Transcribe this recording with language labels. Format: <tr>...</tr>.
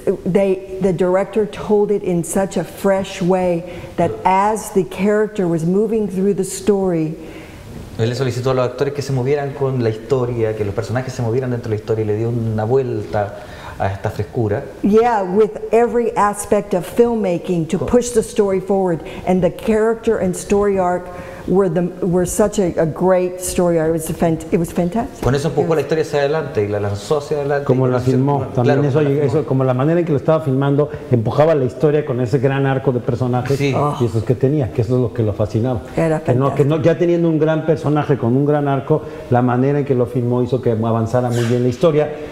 <en>The director told it in such a fresh way that as the character was moving through the story.</en> <es>Él le solicitó a los actores que se movieran con la historia, que los personajes se movieran dentro de la historia y le dio una vuelta a esta frescura.</es> <en>Yeah, with every aspect of filmmaking to push the story forward, and the character and story arc were such a great story arc. It was fantastic.</en> <es>Con eso empujó la historia hacia adelante y la lanzó hacia adelante. Como la filmó, también claro, eso como la manera en que lo estaba filmando empujaba la historia con ese gran arco de personajes, sí. Y esos que tenía, que eso es lo que lo fascinaba. Era fantástico. Que no, ya teniendo un gran personaje con un gran arco, la manera en que lo filmó hizo que avanzara muy bien la historia.</es>